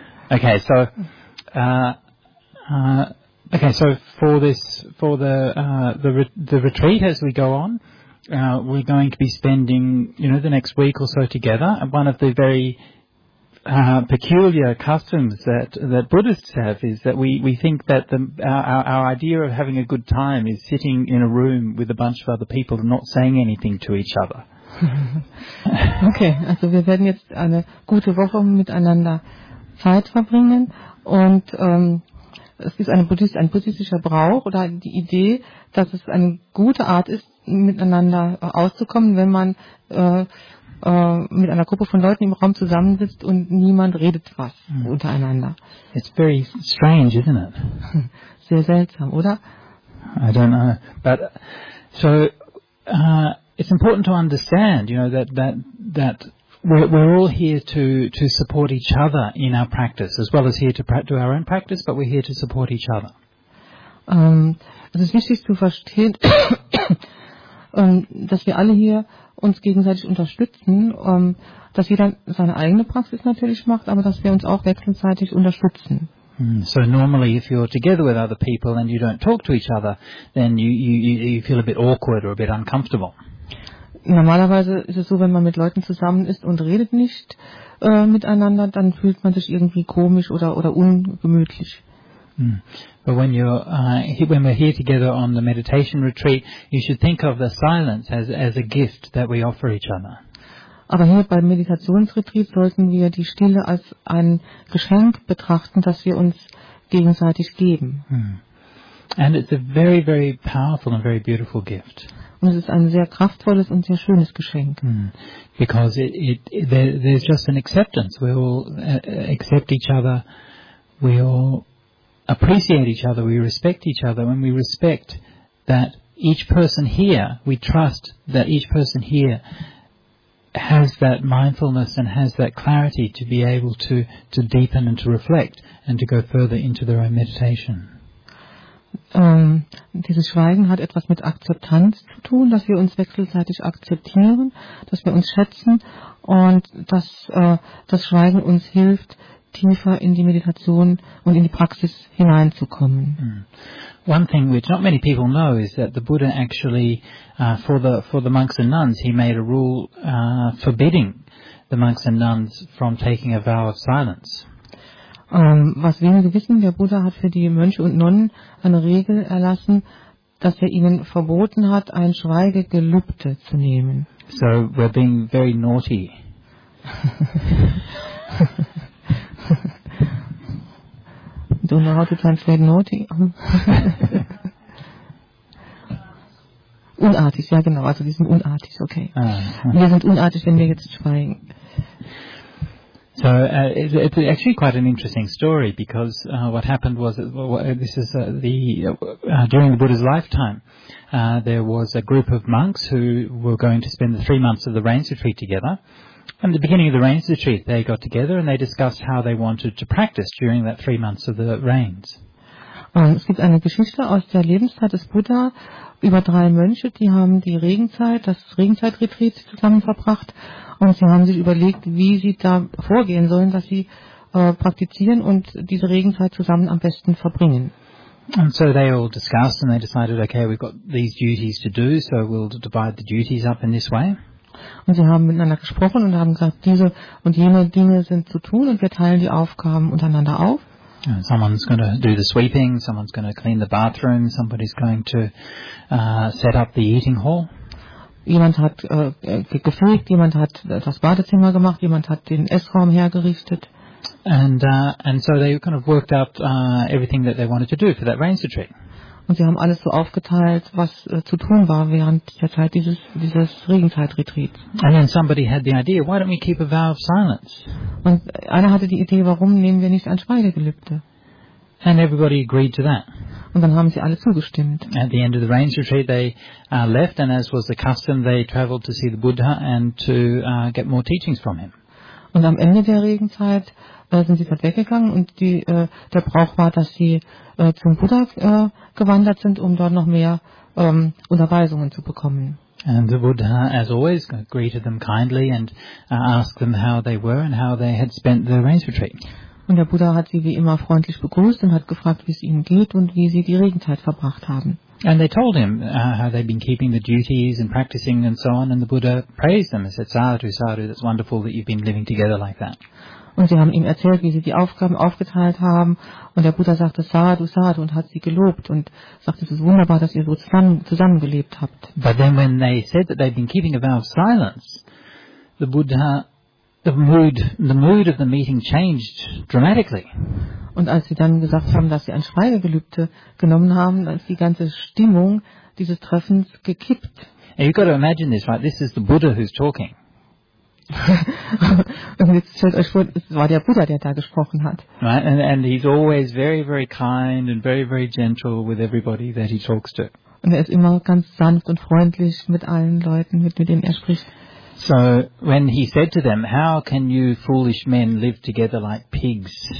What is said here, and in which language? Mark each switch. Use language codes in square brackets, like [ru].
[en] Okay, so for the retreat, as we go on, we're going to be spending, you know, the next week or so together. And one of the very peculiar customs that Buddhists have is that we think that our idea of having a good time is sitting in a room with a bunch of other people and not saying anything to each other. [de] Okay, also wir werden jetzt eine gute Woche miteinander Zeit verbringen, und es ist ein buddhistischer Brauch oder die Idee, dass es eine gute Art ist, miteinander auszukommen, wenn man mit einer Gruppe von Leuten im Raum zusammensitzt und niemand redet was untereinander. [en] It's very strange, isn't it? [de] Sehr seltsam, oder? [en] I don't know. But so it's important to understand, you know, that we're all here to support each other in our practice, as well as here to do our own practice, but we're here to support each other. [de] Es ist wichtig zu verstehen, dass wir alle hier uns gegenseitig unterstützen, dass jeder seine eigene Praxis natürlich macht, aber dass wir uns auch wechselseitig unterstützen. [en] So normally if you're together with other people and you don't talk to each other, then you feel a bit awkward or a bit uncomfortable. [de] Normalerweise ist es so, wenn man mit Leuten zusammen ist und redet nicht miteinander, dann fühlt man sich irgendwie komisch oder ungemütlich. [en] But when we're here together on the meditation retreat, you should think of the silence as a gift that we offer each other. [de] Aber hier beim Meditationsretreat sollten wir die Stille als ein Geschenk betrachten, das wir uns gegenseitig geben. [en] And it's a very, very powerful and very beautiful gift. [de] Und es ist ein sehr kraftvolles und sehr schönes Geschenk. [en] Because there's just an acceptance. We all accept each other. We all appreciate each other, we respect each other, and we respect that each person here, we trust that each person here has that mindfulness and has that clarity to be able to deepen and to reflect and to go further into their own meditation. [de] Dieses Schweigen hat etwas mit Akzeptanz zu tun, dass wir uns wechselseitig akzeptieren, dass wir uns schätzen, und dass das Schweigen uns hilft, tiefer in die Meditation und in die Praxis hineinzukommen. [en] One thing which not many people know is that the Buddha actually for the monks and nuns, he made a rule forbidding the monks and nuns from taking a vow of silence. [de] Was wenige wissen, der Buddha hat für die Mönche und Nonnen eine Regel erlassen, dass er ihnen verboten hat, ein Schweigegelübde zu nehmen. [en] So we're being very naughty. Don't know how to translate naughty. [de] Unartig, ja genau, also wir sind unartig, okay. Wir sind unartig, wenn wir jetzt schweigen. [en] So it's actually quite an interesting story, because what happened was, this is during the Buddha's lifetime, there was a group of monks who were going to spend the 3 months of the rains retreat together. At the beginning of the rains retreat, they got together and they discussed how they wanted to practice during that 3 months of the rains. [de] Es gibt eine Geschichte aus der Lebenszeit des Buddha über 3 Mönche, die haben die Regenzeit, das Regenzeitretreat zusammen verbracht, und sie haben sich überlegt, wie sie da vorgehen sollen, dass sie praktizieren und diese Regenzeit zusammen am besten verbringen. [en] And so they all discussed and they decided, okay, we've got these duties to do, so we'll divide the duties up in this way. [de] Und sie haben miteinander gesprochen und haben gesagt, diese und jene Dinge sind zu tun und wir teilen die Aufgaben untereinander auf. [en] Someone's going to do the sweeping, someone's going to clean the bathroom, somebody's going to set up the eating hall. [de] Jemand hat gefegt, jemand hat das Badezimmer gemacht, jemand hat den Essraum hergerichtet. [en] And so they kind of worked out everything that they wanted to do for that rain retreat. [de] Und sie haben alles so aufgeteilt, was zu tun war während der Zeit dieses Regenzeitretreats. [en] And then somebody had the idea, why don't we keep a vow of silence? [de] Und einer hatte die Idee, warum nehmen wir nicht ein Schweigegelübde? [en] And everybody agreed to that. [de] Und dann haben sie alle zugestimmt. [en] At the end of the rains retreat, they left, and as was the custom, they traveled to see the Buddha and to get more teachings from him. [de] Und am Ende der Regenzeit sind sie dort weggegangen, und die, der Brauch war, dass sie zum Buddha gewandert sind, um dort noch mehr Unterweisungen zu bekommen. [en] And the Buddha, as always, greeted them kindly and asked them how they were and how they had spent the rains retreat. [de] Und der Buddha hat sie wie immer freundlich begrüßt und hat gefragt, wie es ihnen geht und wie sie die Regenzeit verbracht haben. [en] And they told him how they'd been keeping the duties and practicing and so on, and the Buddha praised them and said, "Sadhu, sadhu, that's wonderful that you've been living together like that." [de] Und sie haben ihm erzählt, wie sie die Aufgaben aufgeteilt haben, und der Buddha sagte, "Sadhu, sadhu," und hat sie gelobt und sagte, es ist wunderbar, dass ihr so zusammengelebt habt. [en] But then when they said that they'd been keeping a vow of silence, the mood of the meeting changed dramatically. [de] Und als sie dann gesagt haben, dass sie ein Schweigegelübde genommen haben, dann ist die ganze Stimmung dieses Treffens gekippt. [en] And you've got to imagine this, right? This is the Buddha who's talking. [de] Und jetzt stellt euch vor, es war der Buddha, der da gesprochen hat. [en] Right? And he's always very, very kind and very, very gentle with everybody that he talks to. [de] Und er ist immer ganz sanft und freundlich mit allen Leuten, mit denen er spricht. [en] So when he said to them, "How can you foolish men live together like pigs?"